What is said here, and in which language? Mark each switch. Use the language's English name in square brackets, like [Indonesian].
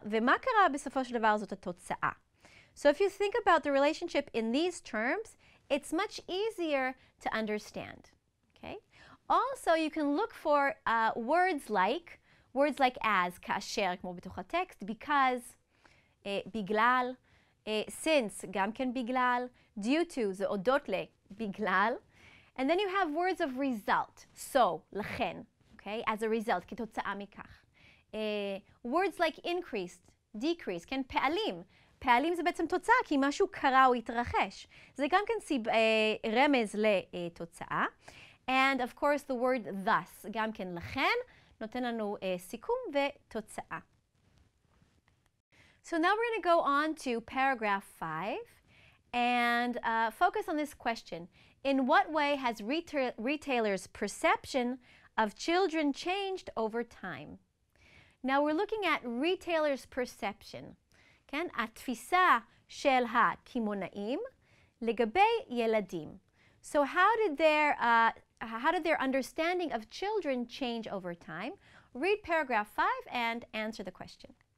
[Hebrew] ומה קרה בסופו של דבר זאת התוצאה? [English] So if you think about the relationship in these terms, it's much easier to understand. Okay? Also, you can look for words like as, כאשר, [Hebrew] כמו בתוך הטקסט, [English] because, בגלל, since, [Hebrew] גם כן בגלל, [English] due to, [Hebrew] זה הודות ל, [English] בגלל. And then you have words of result, so, לכן, okay, as a result, [Hebrew] כתוצאה מכך. [English] Words like increased, decreased, [Hebrew] כן, פעלים. פעלים זה בעצם תוצאה, כי משהו קרה או התרחש. זה גם כן רמז לתוצאה. [English] And of course, the word thus, [Hebrew] גם כן לכן, נותן לנו סיכום ותוצאה. [English] So now we're going to go on to paragraph 5 and focus on this question. In what way has retailers' perception of children changed over time? Now we're looking at retailers' perception. כן? [Hebrew] התפיסה של הקמעונאים לגבי ילדים. [English] So how did their understanding of children change over time? Read paragraph 5 and answer the question.